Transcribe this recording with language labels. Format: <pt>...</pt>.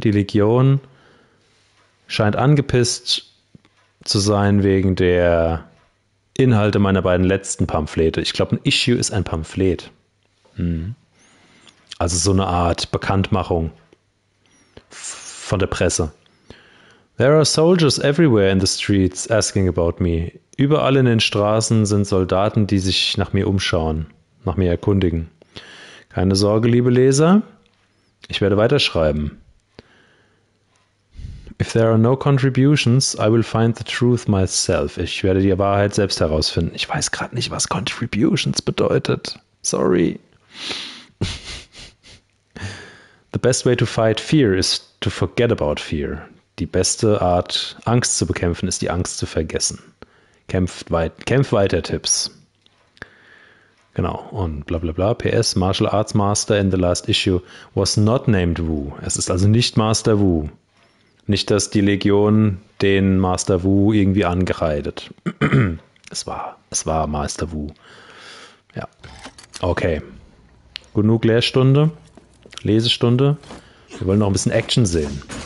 <de>Die Legion scheint angepisst zu sein wegen der Inhalte meiner beiden letzten Pamphlete. Ich glaube, ein Issue ist ein Pamphlet. Also so eine Art Bekanntmachung von der Presse.</de> <en>There are soldiers everywhere in the streets asking about me.</en> <de>Überall in den Straßen sind Soldaten, die sich nach mir umschauen, nach mir erkundigen. Keine Sorge, liebe Leser, ich werde weiterschreiben.</de> <en>If there are no contributions, I will find the truth myself.</en> <de>Ich werde die Wahrheit selbst herausfinden. Ich weiß gerade nicht, was contributions bedeutet. Sorry.</de> <en>The best way to fight fear is to forget about fear.</en> <de>Die beste Art, Angst zu bekämpfen, ist die Angst zu vergessen. Kämpf weiter, Tipps. Genau, und bla bla bla.</de> <en>PS, Martial Arts Master in the last issue was not named Wu.</en> <de>Es ist also nicht Master Wu. Nicht, dass die Legion den Master Wu irgendwie angereidet. Es war Master Wu. Ja. Okay. Genug Lehrstunde. Lesestunde. Wir wollen noch ein bisschen Action sehen.</de>